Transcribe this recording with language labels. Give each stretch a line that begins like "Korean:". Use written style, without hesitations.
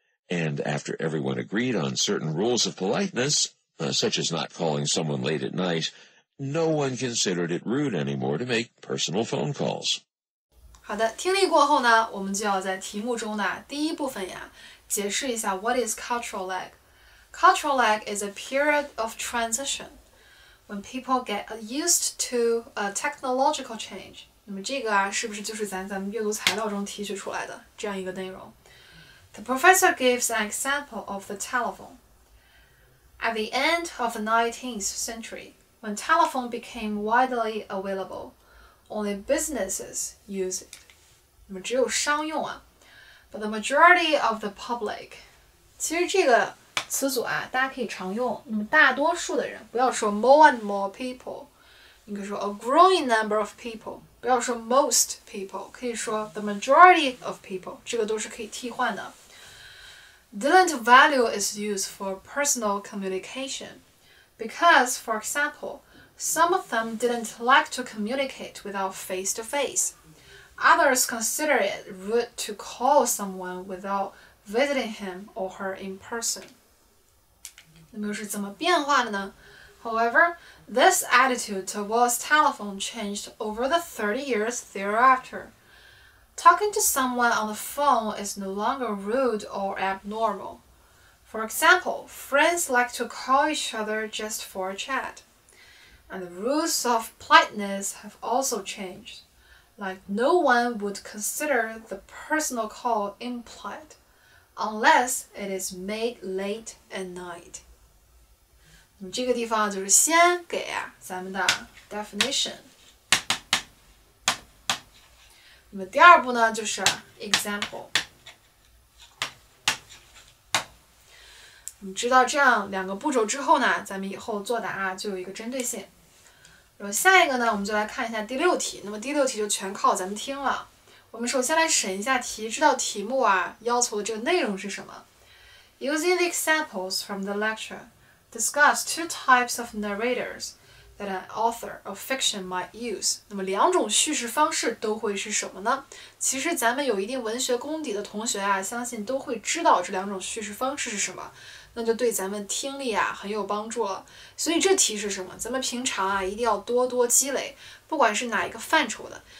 English: And after everyone agreed on certain rules of politeness, such as not calling someone late at night, no one considered it rude anymore to make personal phone calls.
Chinese: 好的，听力过后呢，我们就要在题目中的第一部分呀，解释一下
English: what is cultural lag. Cultural lag is a period of transition when people get used to a technological change.
Chinese: 那么这个啊，是不是就是咱们阅读材料中提取出来的这样一个内容？
English: The professor gives an example of the telephone. At the end of the 19th century, when telephone became widely available,Only businesses use it.
Chinese: 那么只有商用啊。
English: But the majority of the public.
Chinese: 其实这个词组啊大家可以常用。那么大多数的人不要说
English: more and more people.
Chinese: 你可以说
English: a growing number of people.
Chinese: 不要说
English: most people.
Chinese: 可以说
English: the majority of people.
Chinese: 这个都是可以替换的。
English: Didn't value is used for personal communication. Because, for example,Some of them didn't like to communicate without face-to-face. Others consider it rude to call someone without visiting him or her in person.
Chinese: 那么又是怎么变化的呢?
English: However, this attitude towards telephone changed over the 30 years thereafter. Talking to someone on the phone is no longer rude or abnormal. For example, friends like to call each other just for a chat. And the rules of politeness have also changed. Like no one would consider the personal call impolite unless it is made late at night.
Chinese: 那么这个地方就是先给啊咱们的 definition. 那么第二步呢就是 example. 你知道这样两个步骤之后呢，咱们以后作答啊就有一个针对性。然后下一个呢，我们就来看一下第六题。那么第六题就全靠咱们听了。我们首先来审一下题，知道题目啊要求的这个内容是什么。
English: Using the examples from the lecture, discuss two types of narrators that an author of fiction might use.
Chinese: 那么两种叙事方式都会是什么呢？其实咱们有一定文学功底的同学啊，相信都会知道这两种叙事方式是什么。那就对咱们听力啊很有帮助了。所以这题是什么？咱们平常啊一定要多多积累，不管是哪一个范畴的。